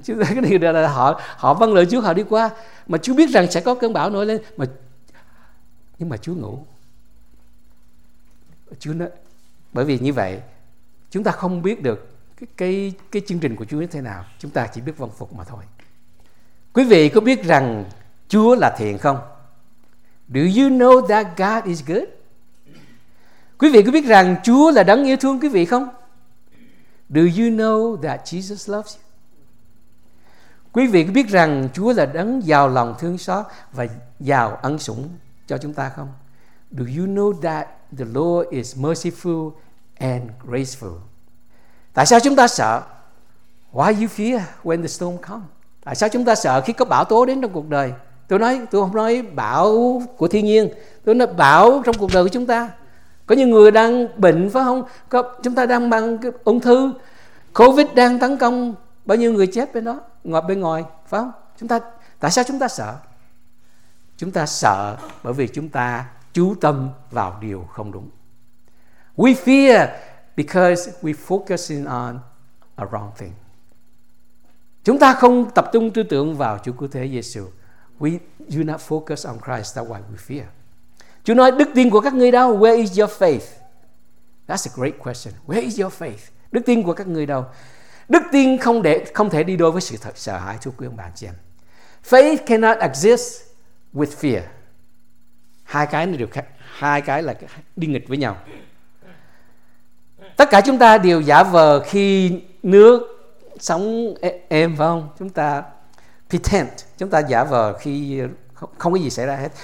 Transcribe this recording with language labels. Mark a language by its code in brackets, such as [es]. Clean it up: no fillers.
[vi] Chứ cái điều đó là họ vâng lời Chúa, họ đi qua. Mà Chúa biết rằng sẽ có cơn bão nổi lên. Nhưng mà Chúa ngủ. Chúa nói, bởi vì như vậy, chúng ta không biết được cái chương trình của Chúa như thế nào. Chúng ta chỉ biết vâng phục mà thôi. Quý vị có biết rằng Chúa là thiện không? [en] Do you know that God is good? [vi] Quý vị có biết rằng Chúa là đấng yêu thương quý vị không? [en] Do you know that Jesus loves you? [vi] Quý vị có biết rằng Chúa là đấng giàu lòng thương xót và giàu ân sủng cho chúng ta không? [en] Do you know that the Lord is merciful and graceful? [vi] Tại sao chúng ta sợ? [en] Why you fear when the storm comes? [vi] Tại sao chúng ta sợ khi có bão tố đến trong cuộc đời? Tôi không nói bão của thiên nhiên, tôi nói bão trong cuộc đời của chúng ta. Có những người đang bệnh phải không? Chúng ta đang mang cái ung thư, COVID đang tấn công, bao nhiêu người chết bên đó, ngoài bên ngoài phải không? Tại sao chúng ta sợ? Chúng ta sợ bởi vì chúng ta chú tâm vào điều không đúng. [en] We fear because we focusing on a wrong thing. [vi] Chúng ta không tập trung tư tưởng vào Chúa Cứu Thế Giêsu. [en] We do not focus on Christ, that's why we fear. [vi] Chúa nói đức tin của các ngươi đâu? [en] Where is your faith? That's a great question. Where is your faith? [vi] Đức tin của các ngươi đâu? Đức tin không thể đi đôi với sự sợ hãi, thưa quý ông bà chị em. [en] Faith cannot exist with fear. [vi] Hai cái là đi nghịch với nhau. Tất cả chúng ta đều giả vờ khi nước sóng êm phải không? Chúng ta pretend, chúng ta giả vờ khi không có gì xảy ra hết.